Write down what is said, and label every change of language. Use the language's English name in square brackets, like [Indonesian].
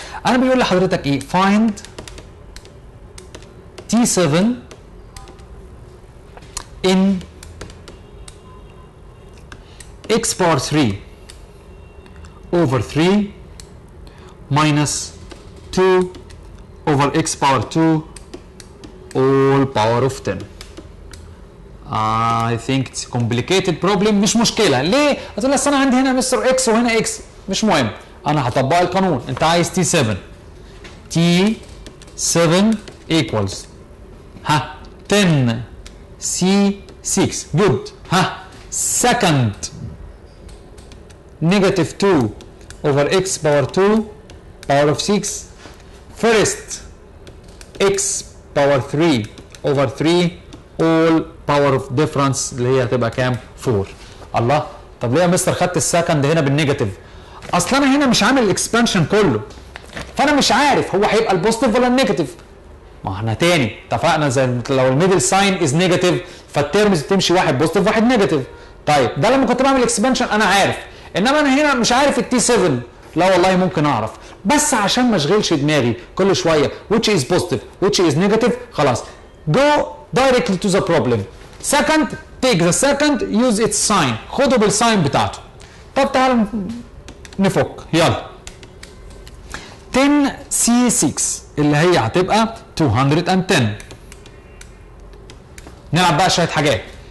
[Arabic] انا بيقول لحضرتك ايه، [English] Find T 7 in x power 3 over 3 minus 2 over x power 2 all power of 10. I think it's a complicated problem. [Arabic] مش مشكلة. ليه؟ هتقول لي انا عندي هنا مستر اكس وهنا اكس. مش مهم. انا هطبق القانون. انت عايز تي 7. [English] T 7 equals. ها. 10 C 6. Good. ها. Second. Negative 2 over x power 2 power of 6. First. x power 3 over 3 all power of difference [Arabic] اللي هي هتبقى كام؟ [English] 4. [Arabic] الله، طب ليه يا مستر خدت السكند هنا بالنيجاتيف؟ اصل انا هنا مش عامل الاكسبانشن كله، فانا مش عارف هو هيبقى البوزيتيف ولا النيجاتيف. ما احنا تاني اتفقنا زي لو الميدل ساين از نيجاتيف فالتيرمز بتمشي واحد بوزيتيف واحد نيجاتيف. طيب ده لما كنت بعمل اكسبانشن انا عارف، انما انا هنا مش عارف التي 7. لا والله ممكن اعرف، بس عشان ما اشغلش دماغي كل شويه [English] which is positive which is negative [Arabic] خلاص [English] go directly to the problem. second take the second use its sign، [Arabic] خده بالساين بتاعته. طب تعال نفك. يلا 10 c6 اللي هي هتبقى 210. نلعب بقى شويه حاجات.